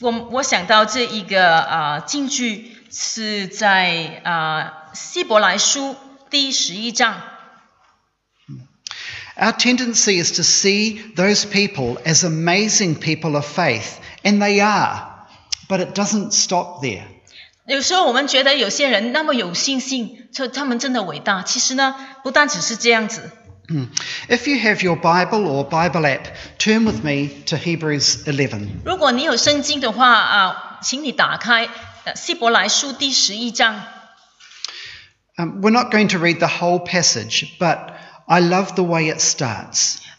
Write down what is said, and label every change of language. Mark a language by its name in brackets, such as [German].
[Chinese] 我想到这一个经句是在希伯来书第十一章。 [English] Our tendency is to see those people as amazing people of faith, and they are, but it doesn't stop there. [Chinese] 有时候我们觉得有些人那么有信心，就他们真的伟大，其实呢，不但只是这样子。 [English] If you have your Bible or Bible app, turn with me to Hebrews 11. [Chinese] 如果你有圣经的话，请你打开希伯来书第十一章。 [English] We're not going to read the whole passage, but I love the way it starts.